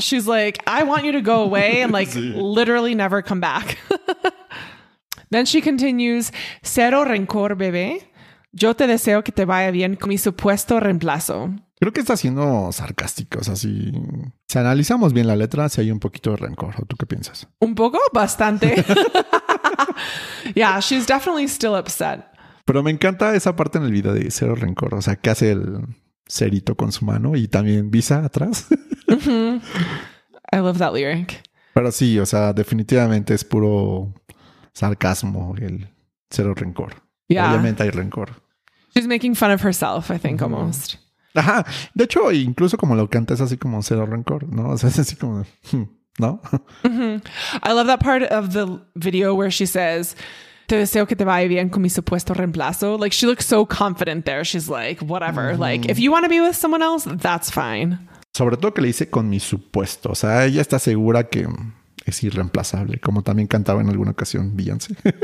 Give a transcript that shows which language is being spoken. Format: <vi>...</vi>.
<en>She's like, I want you to go away and like literally never come back. Then she continues,</en> <es>cero rencor, bebé. Yo te deseo que te vaya bien con mi supuesto reemplazo. Creo que está siendo sarcástico. O sea, si, si analizamos bien la letra, si hay un poquito de rencor. ¿O tú qué piensas? Un poco, bastante.</es> <en>Yeah, she's definitely still upset.</en> <es>Pero me encanta esa parte en el video de cero rencor. O sea, ¿qué hace el cerito con su mano? Y también visa atrás.</es> <en>I love that lyric.</en> <es>Pero sí, o sea, definitivamente es puro sarcasmo el cero rencor.</es> <en>Yeah.</en> <es>Obviamente hay rencor.</es> <en>She's making fun of herself, I think, almost. Ajá.</en> <es>De hecho, incluso como lo canta, es así como cero rencor, ¿no? O sea, es así como, ¿no?</es> <en>I love that part of the video where she says,</en> <es>te deseo que te vaya bien con mi supuesto reemplazo.</es> <en>Like, she looks so confident there. She's like, whatever. Mm-hmm. Like, if you want to be with someone else, that's fine.</en> <es>Sobre todo que le dice con mi supuesto. O sea, ella está segura que es irreemplazable, como también cantaba en alguna ocasión Beyoncé.</es>